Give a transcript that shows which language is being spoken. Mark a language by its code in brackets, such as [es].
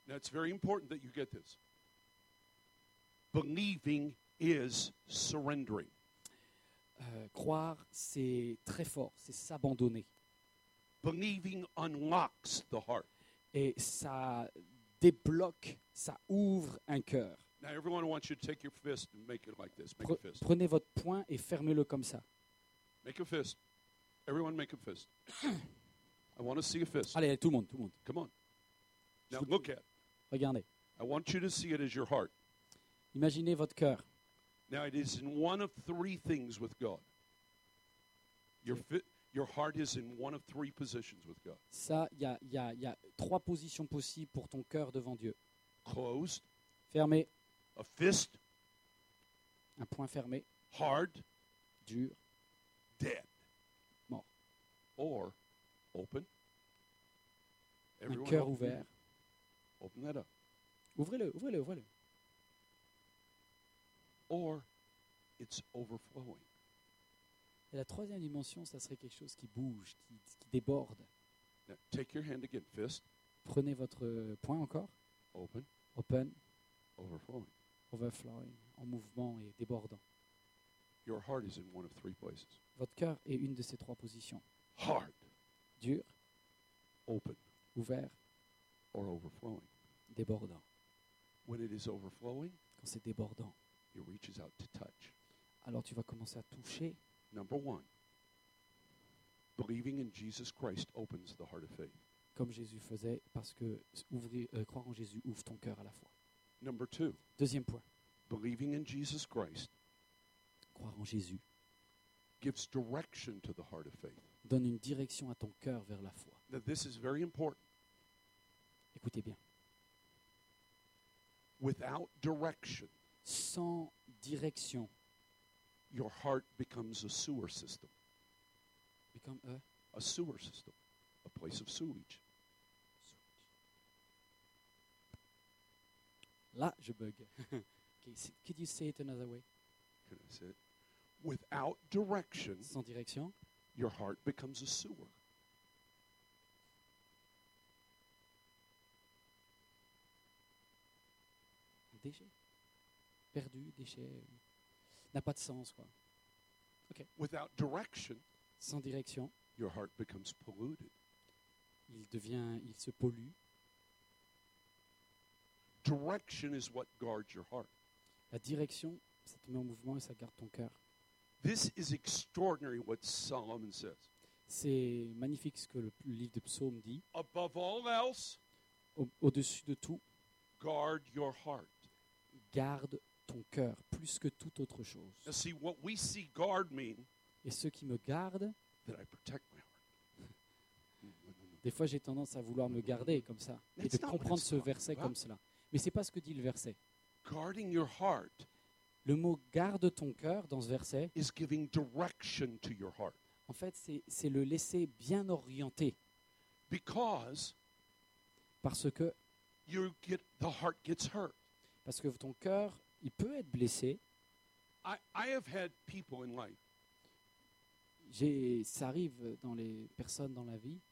[en] Now it's very important that you get this. Believing is surrendering. [fr] Croire, c'est très fort, c'est s'abandonner. [en] Believing unlocks the heart. [fr] Et ça débloque, ça ouvre un cœur. [en] Now everyone wants you to take your fist and make it like this. Make a fist. [fr] Prenez votre poing et fermez-le comme ça. [en] Make a fist. Everyone make a fist. I want to see a fist. [fr] Allez, tout le monde, tout le monde. [en] Come on. Now look at. [fr] Regardez. [en] I want you to see it as your heart. [fr] Imaginez votre cœur. [en] Now it is in one of three things with God. Your heart is in one of three positions with God. [fr] Ça, il y a trois positions possibles pour ton cœur devant Dieu. [en] Closed. [fr] Fermé. [en] A fist. [fr] Un poing fermé. [en] Hard. [fr] Dur. [en] Dead. [fr] Mort. [en] Or open. [fr] Everyone un cœur ouvert. [en] Open that up. [fr] Ouvrez-le. [en] Or it's overflowing. [fr] Et la troisième dimension, ça serait quelque chose qui bouge, qui déborde. [en] Now, take your hand again, fist. [fr] Prenez votre poing encore. [en] Open. Open. Overflowing. [fr] Overflowing, en mouvement et débordant. [en] Your heart is in one of three places. [fr] Votre cœur est une de ces trois positions. [en] Hard. [fr] Dur. [en] Open. [fr] Ouvert. [en] Or overflowing. [fr] Débordant. [en] When it is overflowing, [fr] quand c'est débordant, [en] it reaches out to touch. [fr] Alors tu vas commencer à toucher. [en] Number one, believing in Jesus Christ opens the heart of faith. [fr] Comme Jésus faisait, parce que croire en Jésus ouvre ton cœur à la foi. [en] Number two, [fr] deuxième point, [en] believing in Jesus Christ, [fr] croire en Jésus, [en] gives direction to the heart of faith. [fr] Donne une direction à ton cœur vers la foi. [en] Now this is very important. [fr] Écoutez bien. [en] Without direction, [fr] sans direction, [en] your heart becomes a sewer system. Become a? A sewer system, a place of sewage. Sewage. [fr] Là, je bug. [en] Okay, could you say it another way? Can I say it? Without direction, [fr] sans direction, [en] your heart becomes a sewer. [fr] Déchet. Perdu, déchet. N'a pas de sens, quoi. Okay. [en] Without direction, [fr] sans direction, [en] your heart becomes polluted. [fr] Il se pollue. [en] Direction is what guards your heart. [fr] La direction, ça te met en mouvement et ça garde ton cœur. [en] This is extraordinary what Solomon says. [fr] C'est magnifique ce que le livre de Psaumes dit. [en] Above all else, [fr] au-dessus de tout, [en] guard your heart. [fr] Garde ton cœur plus que toute autre chose. [en] Now see, what we see guard mean, [fr] et ceux qui me gardent, [en] that I protect my heart. [fr] Des fois j'ai tendance à vouloir me garder comme ça, [en] that's [fr] et de comprendre ce verset comme cela. Mais ce n'est pas ce que dit le verset. [en] Guarding your heart, [fr] le mot garde ton cœur dans ce verset, [en] is giving direction to your heart. [fr] En fait, c'est le laisser bien orienté. [en] Because [fr] parce que [en] you get, the heart gets hurt. [fr] Parce que ton cœur, il peut être blessé. [en] I have had people in life, [fr] ça arrive dans les personnes dans la vie